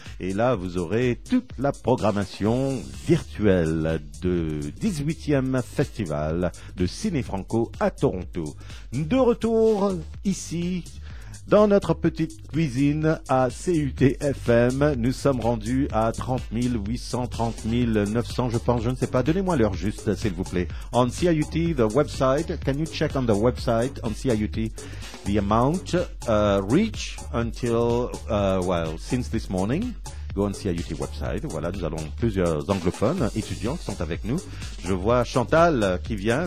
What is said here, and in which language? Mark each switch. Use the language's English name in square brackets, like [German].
[French] Et là, vous aurez toute la programmation virtuelle du 18e festival de Ciné Franco à Toronto. De retour ici, dans notre petite cuisine à CUT-FM, nous sommes rendus à 30 800, 30 900, je pense, je ne sais pas. Donnez-moi l'heure juste, s'il vous plaît. [English] On CIUT, the website, can you check on the website, on CIUT, the amount reached until, since this morning? Go on CIUT website. [French] Voilà, nous allons plusieurs anglophones, étudiants qui sont avec nous. Je vois Chantal qui vient.